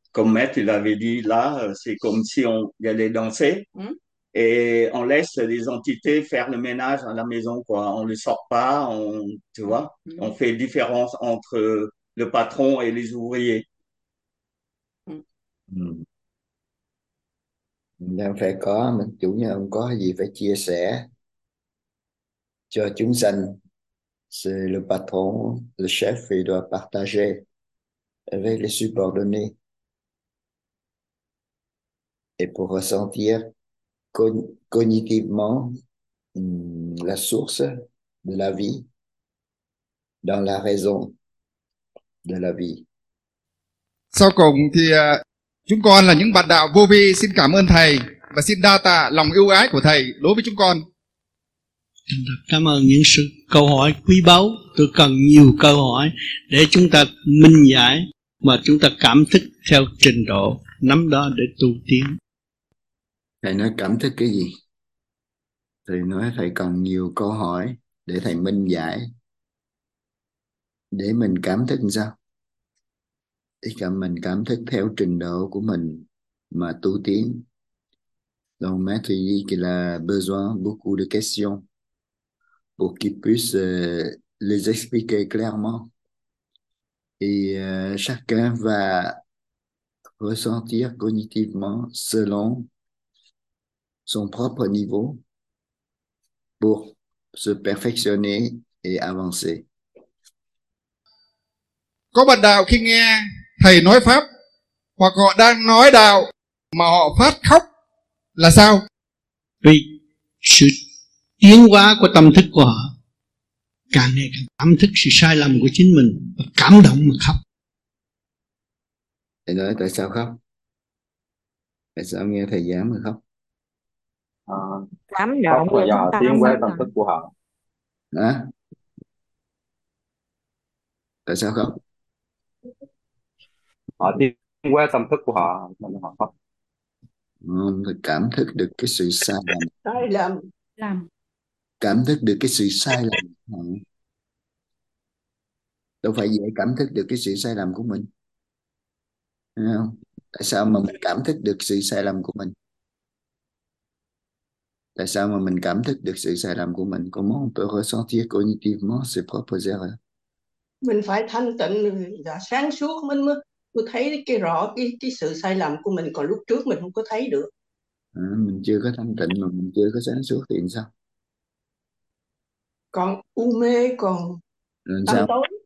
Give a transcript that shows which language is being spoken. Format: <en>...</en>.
<fr>Comme Maître, il avait dit là, c'est comme si on allait danser et on laisse les entités faire le ménage à la maison, quoi. On ne les sort pas, tu vois, on fait différence entre le patron et les ouvriers.</fr> <vi>Đang phải có mình chủ nhân không có gì phải chia sẻ cho chúng sanh.</vi> <fr>C'est le patron, le chef, il doit partager avec les subordonnés. Et pour ressentir cognitivement la source de la vie dans la raison de la vie.</fr> <vi>Sau cùng thì chúng con là những bạn đạo vô vi, xin cảm ơn thầy và xin đa tạ lòng ưu ái của thầy đối với chúng con. Cảm ơn những sự câu hỏi quý báu. Tôi cần nhiều câu hỏi để chúng ta minh giải và chúng ta cảm thức theo trình độ nắm đó để tu tiến. Thầy nói cảm thức cái gì? Thầy nói thầy cần nhiều câu hỏi để thầy minh giải, để mình cảm thức làm sao? Ý là mình cảm thức theo trình độ của mình mà tu tiến.</vi> <fr>Donc, maître dit qu'il a besoin beaucoup de questions pour qu'il puisse les expliquer clairement. Et chacun va ressentir cognitivement selon son propre niveau pour se perfectionner et avancer.</fr> <vi>Có bạn đạo khi nghe thầy nói pháp hoặc họ đang nói đạo mà họ phát khóc là sao? Vì sự tiến hóa của tâm thức của họ càng ngày càng cảm thức sự sai lầm của chính mình và cảm động mà khóc. Thầy nói tại sao khóc? Tại sao nghe thầy giảng mà khóc? Cảm động khóc là do tiến hóa tâm thức của họ. Hả? Tại sao khóc? Họ tiến qua tâm thức của họ nên họ khóc. Cảm thức được cái sự sai lầm. Sai lầm. Cảm thức được cái sự sai lầm. Đâu phải dễ cảm thức được cái sự sai lầm của mình. Đúng không? Tại sao mà mình cảm thức được sự sai lầm của mình? Tại sao mà mình cảm thức được sự sai lầm của mình?</vi> <fr>Comment on peut ressentir cognitivement ses propres erreurs?</fr> <vi>Mình phải thanh tịnh, sáng suốt mình mới thấy cái rõ cái sự sai lầm của mình, còn lúc trước mình không có thấy được. Mình chưa có thanh tịnh mà mình chưa có sáng suốt thì sao? Còn u mê, còn làm sao?</vi>